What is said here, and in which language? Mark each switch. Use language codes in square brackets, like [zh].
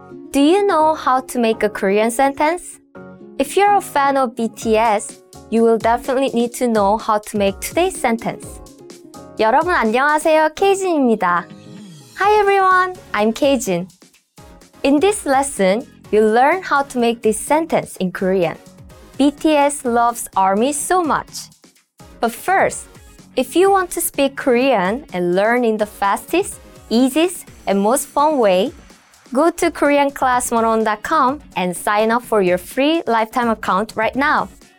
[en] Do you know how to make a Korean sentence? If you're a fan of BTS, you will definitely need to know how to make today's sentence. [ko] 여러분 안녕하세요, 케이진입니다. [en] Hi everyone, I'm 케이진. In this lesson, you'll learn how to make this sentence in Korean. BTS loves ARMY so much. But first, if you want to speak Korean and learn in the fastest, easiest, and most fun way, go to KoreanClass101.com and sign up for your free lifetime account right now.